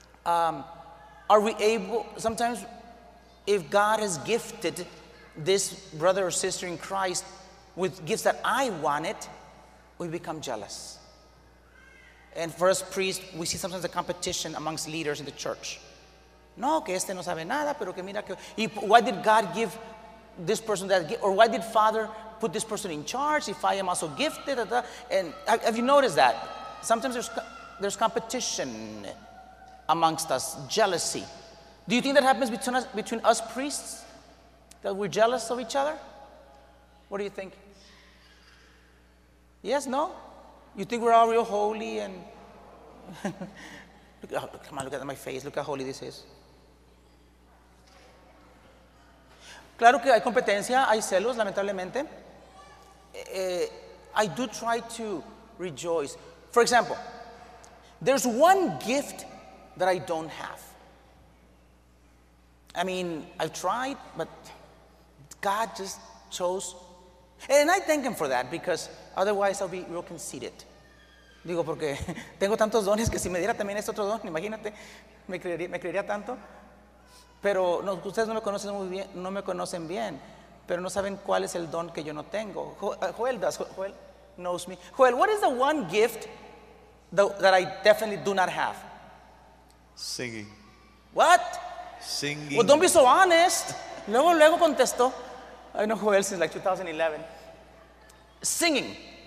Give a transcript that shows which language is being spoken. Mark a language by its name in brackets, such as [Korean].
[English] Are we able, sometimes, if God has gifted this brother or sister in Christ with gifts that I wanted, we become jealous. And for us priests, we see sometimes a competition amongst leaders in the church. [Spanish] No, que este no sabe nada, pero que mira que... [English] Why did God give this person that gift? Or why did Father put this person in charge if I am also gifted? Da, da. And have you noticed that? Sometimes there's competition amongst us, jealousy. Do you think that happens between us priests? That we're jealous of each other? What do you think? Yes, no? You think we're all real holy and... look at my face, look how holy this is. [Spanish] Claro que hay competencia, hay celos, lamentablemente. [English] I do try to rejoice. For example, there's one gift that I don't have. I mean, I've tried, but God just chose. And I thank him for that, because otherwise I'll be real conceited. [Spanish] Digo, porque tengo tantos dones que si me diera también este otro don, imagínate, me creería tanto. Pero no, ustedes no me conocen muy bien, no me conocen bien, pero no saben cuál es el don que yo no tengo. [English] Joel does. Joel knows me. Joel, what is the one gift that I definitely do not have? Singing. What? Singing. Well, don't be so honest. [Spanish] Luego contesto. [English] I know Joel since like 2011. Singing.